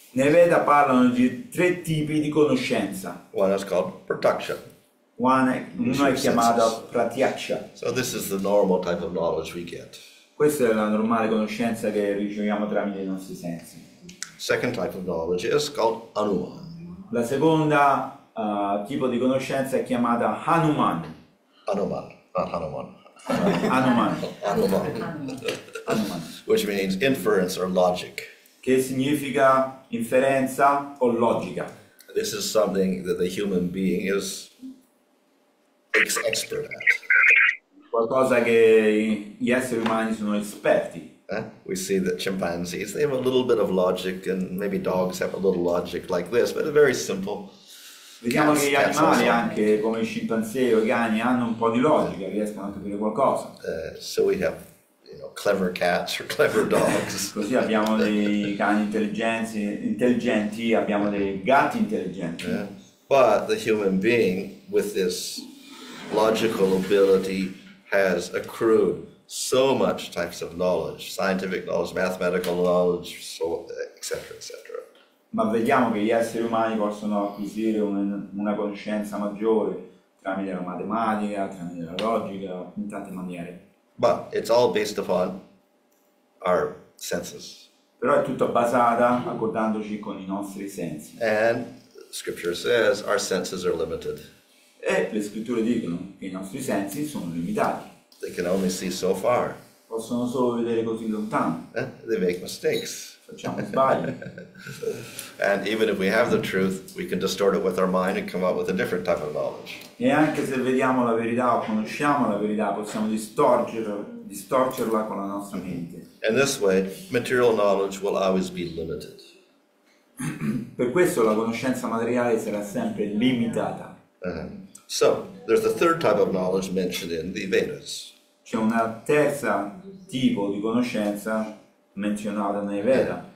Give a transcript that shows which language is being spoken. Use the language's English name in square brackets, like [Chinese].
[Italian] Nei Veda parlano di tre tipi di conoscenza. [English] One is called pratyaksha. [Italian] Uno è chiamato pratyaksha. [English] So this is the normal type of knowledge we get. [Italian] Questa è la normale conoscenza che riceviamo tramite i nostri sensi. [English] Second type of knowledge is called anuman. [Italian] La seconda tipo di conoscenza è chiamata hanuman. [English] Anuman. Not Hanuman. Hanuman. Hanuman. Which means inference or logic. [Italian] Che significa inferenza o logica. [English] This is something that the human being is expert at. [Italian] Qualcosa che gli esseri umani sono esperti. [English] We see that chimpanzees, they have a little bit of logic, and maybe dogs have a little logic like this, but very simple. [Italian] Vediamo che gli animali, anche come i scimpanzé o i cani, hanno un po' di logica, riescono a capire qualcosa. [English] So we have, you know, clever cats or clever dogs. [Italian] Così abbiamo dei cani intelligenti, abbiamo dei gatti intelligenti. [English] Yeah. But the human being with this logical ability has accrued so much types of knowledge, scientific knowledge, mathematical knowledge, so etc. etc. [Italian] Ma vediamo che gli esseri umani possono acquisire una conoscenza maggiore tramite la matematica, tramite la logica, in tante maniere. [English] But it's all based upon our senses. [Italian] Però è tutto basato accordandoci con i nostri sensi. [English] And scripture says our senses are limited. [Italian] E le scritture dicono che i nostri sensi sono limitati. [English] They can only see so far. [Italian] Possono solo vedere così lontano. [English] They make mistakes. [Italian] Facciamo sbagli. [English] And even if we have the truth, we can distort it with our mind and come up with a different type of knowledge. [Italian] E anche se vediamo la verità o conosciamo la verità, possiamo distorcerla con la nostra mente. [English] In this way, material knowledge will always be limited. [Italian] Per questo la conoscenza materiale sarà sempre limitata. [English] So, there's a third type of knowledge mentioned in the Vedas. [Italian] C'è un terzo tipo di conoscenza menzionata nei Veda.